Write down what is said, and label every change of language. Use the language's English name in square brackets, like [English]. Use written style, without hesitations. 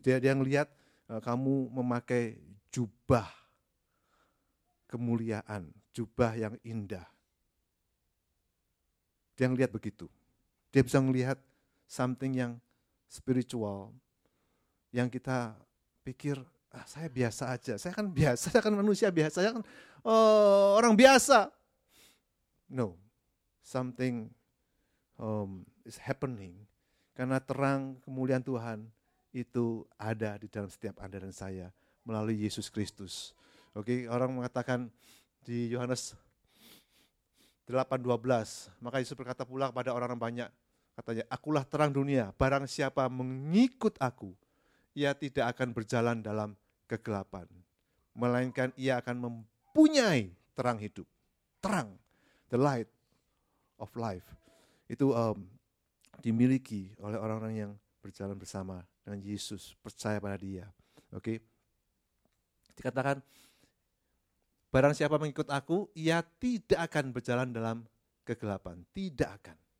[Indonesian] Dia ngelihat kamu memakai jubah kemuliaan, jubah yang indah. Dia ngelihat begitu. Dia bisa ngelihat something yang spiritual, yang kita pikir, ah, saya biasa aja, saya kan biasa, saya kan manusia biasa, saya kan orang biasa. [English] No, something is happening. [Indonesian] Karena terang kemuliaan Tuhan itu ada di dalam setiap Anda dan saya melalui Yesus Kristus. Oke, orang mengatakan di Yohanes 8:12, maka Yesus berkata pula kepada orang-orang banyak, katanya, "Akulah terang dunia. Barang siapa mengikut aku, ia tidak akan berjalan dalam kegelapan, melainkan ia akan mempunyai terang hidup." Terang, [English] the light of life. [Indonesian] Itu dimiliki oleh orang-orang yang berjalan bersama dengan Yesus, percaya pada Dia. Oke. Okay? Dikatakan, "Barang siapa mengikut aku, ia tidak akan berjalan dalam kegelapan." Tidak akan.